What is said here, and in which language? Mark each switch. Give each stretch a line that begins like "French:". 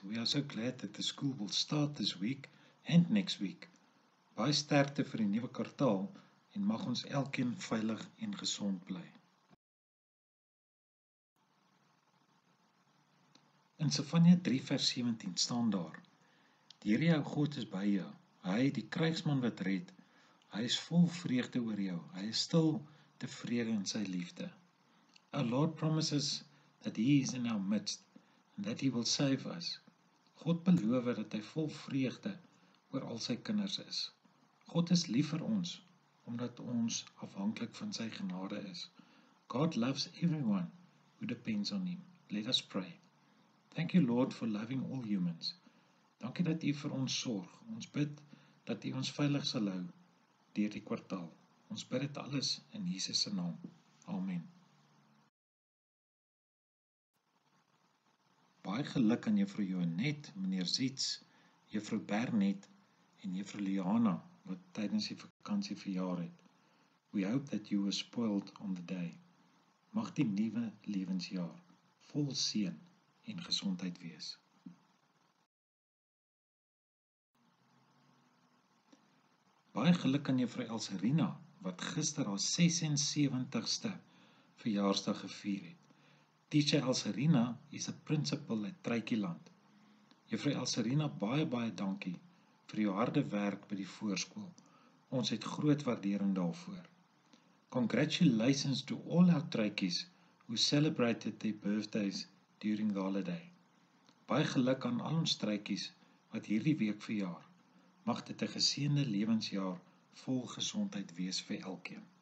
English: We are so glad that the school will start this week and next week.
Afrikaans: Baie sterkte vir die nuwe kwartaal en mag ons elkeen veilig en gesond bly. In Sefanja 3 vers 17 staan daar: Die Here jou God is by jou. Hy die krygsman wat red. Hy is vol vreugde oor jou. Hy is stil tevrede in sy liefde.
English: Our Lord promises that he is in our midst.
Afrikaans: Dat hy wil
English: save us.
Afrikaans: God beloof dat hy vol vreugde oor al sy kinders is. God is lief vir ons, omdat ons afhanklik van sy genade is.
English: God loves everyone who depends on him. Let us pray. Thank you Lord for loving all humans.
Afrikaans: Dankie dat u vir ons sorg. Ons bid dat u ons veilig sal hou deur die kwartaal. Ons bid dit alles in Jesus se naam. Amen. Baie geluk aan juffrou Joannet, meneer Zietz, juffrou Bernet en juffrou Liana wat tydens die vakansie verjaar het.
English: We hope that you were spoiled on the day.
Afrikaans: Mag die nuwe lewensjaar vol seën en gesondheid wees. Baie geluk aan juffrou Elserina wat gister haar 76ste verjaarsdag gevier het.
English: Teacher Elserina is a principal at Truikieland.
Afrikaans: Juffrou Elserina, baie dankie vir jou harde werk by die voorskool. Ons het groot waardering daarvoor.
English: Congratulations to all our Truikies who celebrated their birthdays during the holiday.
Afrikaans: Baie geluk aan al ons Truikies wat hierdie week verjaar. Mag dit 'n geseënde lewensjaar vol gesondheid wees vir elkeen.